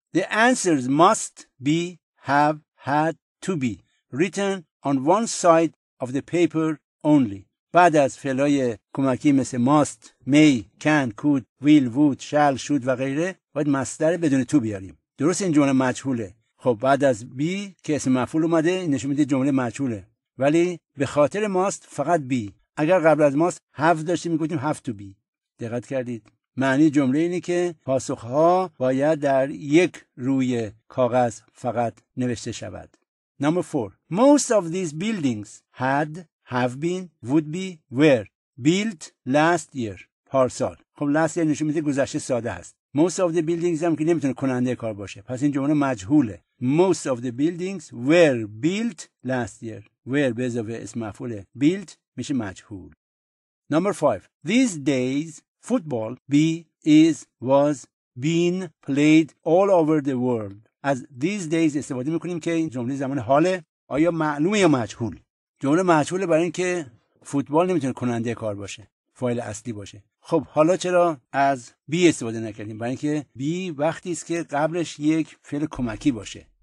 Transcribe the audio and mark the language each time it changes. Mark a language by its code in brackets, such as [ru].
[en] The answers must be, have, had to be written on one side of the paper only. [fa] بعد از فعل‌های کمکی مثل must, may, can, could, will, would, shall, should و غیره باید مصدر بدون to بیاریم. درست این جمله مجهوله. خب بعد از be که اسم مفعول اومده نشون میده جمله مجهوله. ولی به خاطر must فقط be. اگر قبل از must have داشتیم میگفتیم have to be. دقت کردید؟ معنی جمله اینه که پاسخها باید در یک روی کاغذ فقط نوشته شود. [en] Number 4. Most of these buildings had, have been, would be, were built last year. [fa] پارسال. خب last year نشون میده گذشته ساده است. [en] Most of the buildings [fa] هم که نمیتونه کننده کار باشه. پس این جمله مجهوله. [en] Most of the buildings were built last year. [fa] Were به اضافه اسم مفعول built میشه مجهول. [en] Number 5. These days football be, is, was, been played all over the world. [fa] از these days استفاده میکنیم که این جمله زمان حاله. آیا معلومه یا مجهول؟ جمله مجهوله برای این که فوتبال نمیتونه کننده کار باشه. فاعل اصلی باشه. خب حالا چرا از بی استفاده نکردیم؟ برای اینکه بی وقتی است که قبلش یک فعل کمکی باشه.